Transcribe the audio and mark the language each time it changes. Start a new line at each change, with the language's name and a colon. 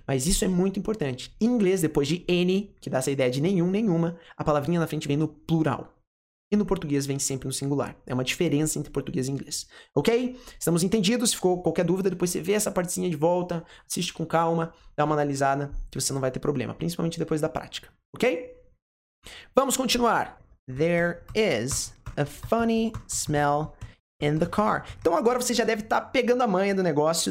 Portuguese: Mas isso é muito importante. Em inglês, depois de N, que dá essa ideia de nenhum, nenhuma, a palavrinha na frente vem no plural. E no português vem sempre no singular. É uma diferença entre português e inglês. Ok? Estamos entendidos? Se ficou qualquer dúvida, depois você vê essa partezinha de volta, assiste com calma, dá uma analisada, que você não vai ter problema. Principalmente depois da prática. Ok? Vamos continuar.
English: There is a funny smell in the car.
Portuguese: Então agora você já deve estar pegando a manha do negócio.